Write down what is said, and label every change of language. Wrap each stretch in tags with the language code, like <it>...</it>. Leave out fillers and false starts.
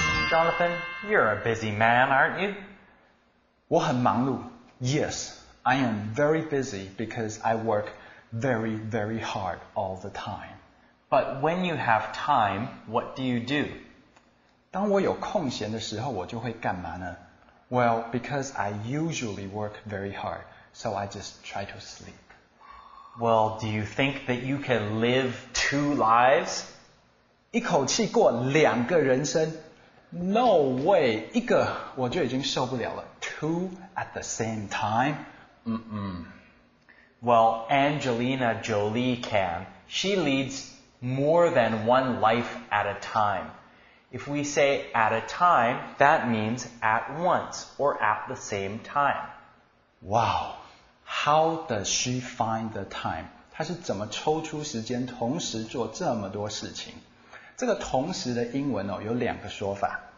<en>Jonathan, you're a busy man, aren't you?</en> <zh>我很忙碌。</zh> <en>Yes, I am very busy because I work very, very hard all the time. But when you have time, what do you do?</en> <zh>当我有空闲的时候，我就会干嘛呢？</zh> <en>Well, because I usually work very hard. So I just try to sleep. Well, do you think that you can live 2 lives?</en> <zh>一口气过2个人生?</zh> <en>No way!</en> <zh>一个我就已经受不了了。</zh> <en>2 at the same time? Mm-mm. Well, Angelina Jolie can. She leads more than 1 life at a time. If we say at a time, that means at once or at the same time. Wow! How does she find the time?</en> <zh>她是怎么抽出时间同时做这么多事情？这个同时的英文哦，有两个说法。</zh>